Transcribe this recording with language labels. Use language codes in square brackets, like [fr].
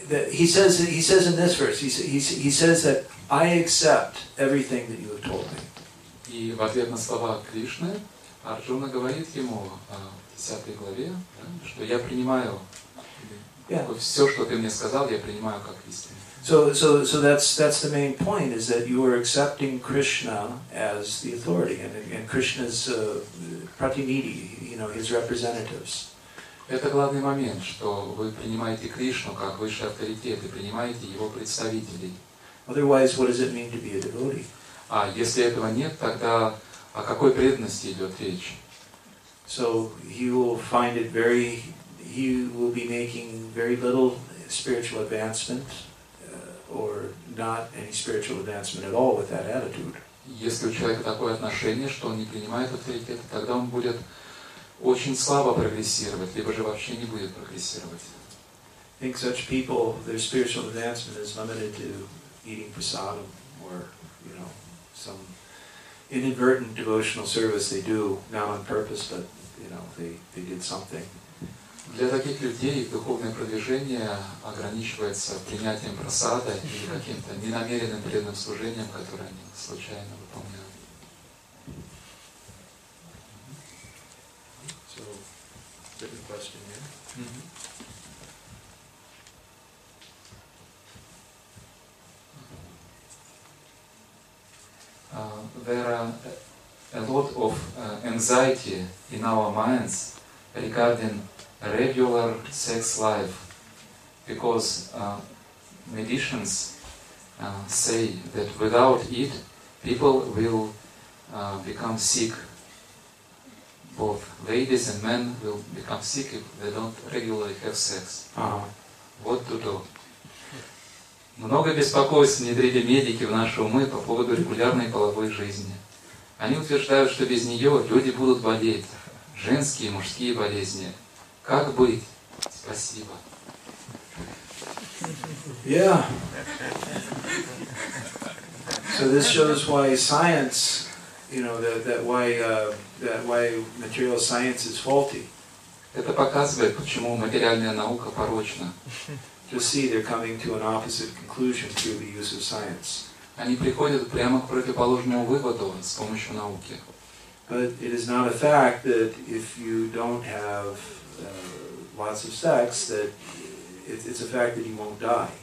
[en] He says that I accept everything that you have told me. [ru] И в ответ на слова Кришны Арджуна говорит ему, [en] So that's the main point, is that you are accepting Krishna as the authority and Krishna's pratinidhi, you know, his representatives. [ru] Это главный момент, что вы принимаете Кришну как высший авторитет и принимаете его представителей. [en] Otherwise, what does it mean to be a devotee? [ru] А если этого нет, тогда о какой преданности идет речь? [en] So he will find it very, he will be making very little spiritual advancement, or not any spiritual advancement at all with that attitude. [ru] Если у человека такое отношение, что он не принимает авторитета, тогда он будет очень слабо прогрессировать, либо же вообще не будет прогрессировать. [en] I think such people, their spiritual advancement is limited to eating prasadam or, you know, some inadvertent devotional service they do, not on purpose, but they did something. [ru] Для таких людей духовное продвижение ограничивается принятием просада или каким-то ненамеренным преданным служением, которое они случайно выполняют. [en] So, different question, yeah? There are a lot of anxiety in our minds regarding regular sex life, because magicians say that without it, people will become sick. Both ladies and men will become sick if they don't regularly have sex. Uh-huh. What to do? [ru] Много беспокойств внедрили медики в наши умы по поводу регулярной половой жизни. Они утверждают, что без нее люди будут болеть. Женские и мужские болезни. Как быть? Спасибо. [en] Yeah. So this shows why science, you know, that why material science is faulty. [ru] Это показывает, почему материальная наука порочна. [en] Just see, they're coming to an opposite conclusion through the use of science. [ru] Они приходят прямо к противоположному выводу с помощью науки. [en] But it is not a fact that if you don't have lots of sex, that it's a fact that you won't die.